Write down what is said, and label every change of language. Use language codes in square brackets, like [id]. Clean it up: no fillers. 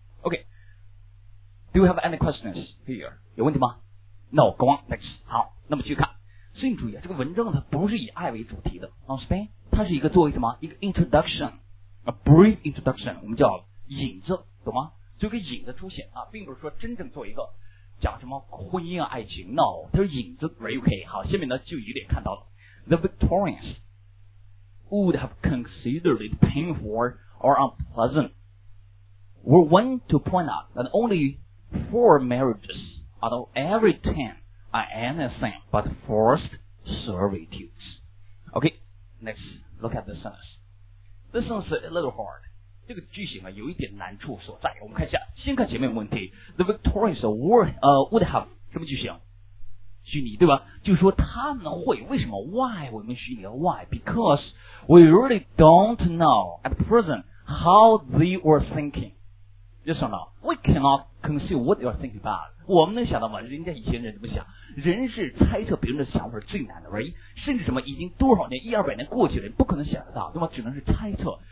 [en] OK, do you have any questions here？有问题吗？No, go on. Next. 好，那么继续看。 [zh] 所以你注意啊，这个文章它不是以爱为主题的 ， understand？它是一个作为什么？ [en] 一个 introduction， a brief introduction，我们叫。 [zh] 影子懂吗？就给影子出现啊，并不是说真正做一个讲什么婚姻啊爱情 ，no， 它是影子 ，OK。 [en] 好，下面呢就有点看到了，The Victorians would have considered it painful or unpleasant were one to point out that only four marriages out of every ten are anything but forced servitudes. OK, next look at the sentence. This one's a little hard. [zh] 这个句型啊，有一点难处所在。我们看一下，先看前面问题 ， The Victorians would have 什么句型？虚拟对吧？就说他们会为什么 ？ Why 我们虚拟 ？Why? [en] Because we really don't know at present how they were thinking. Yes or no? We cannot conceive what they are thinking about. [zh] 我们能想到吗？人家以前人怎么想？人是猜测别人的想法是最难的 ，right？甚至什么已经多少年，一二百年过去了，不可能想得到，对吧？只能是猜测。